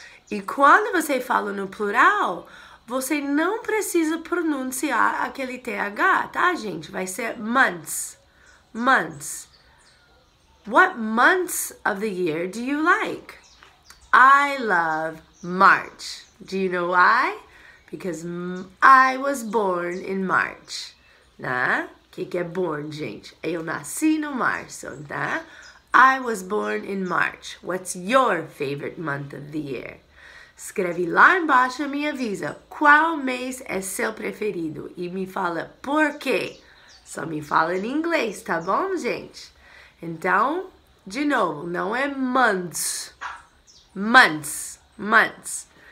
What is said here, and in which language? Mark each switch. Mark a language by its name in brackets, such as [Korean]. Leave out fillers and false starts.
[Portuguese] E quando você fala no plural, você não precisa pronunciar aquele TH, tá, gente? Vai ser months. Months. [English] What months of the year do you like? I love March. Do you know why? Because I was born in March. [Portuguese] Né? Que é born, gente? Eu nasci no março, tá? [English] I was born in March. What's your favorite month of the year? [Portuguese] Escreve lá embaixo e me avisa qual mês é seu preferido. E me fala por quê. Só me fala em inglês, tá bom, gente? Então, de novo, não é months. Months. Months.